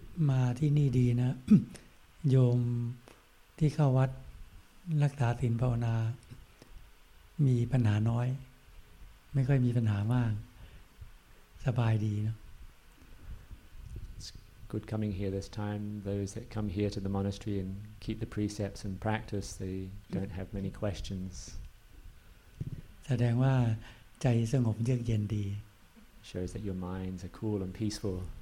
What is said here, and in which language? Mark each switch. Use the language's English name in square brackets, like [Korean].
[Thai] มาที่นี่ดีนะโยมที่เข้าวัดรักษาศีลภาวนามีปัญหาน้อยไม่ค่อยมีปัญหามากสบายดีเนาะ [English] It's good coming here this time. Those that come here to the monastery and keep the precepts and practice, they don't have many questions. [Thai] แสดงว่าใจสงบเยือกเย็นดี [English] Shows that your minds are cool and peaceful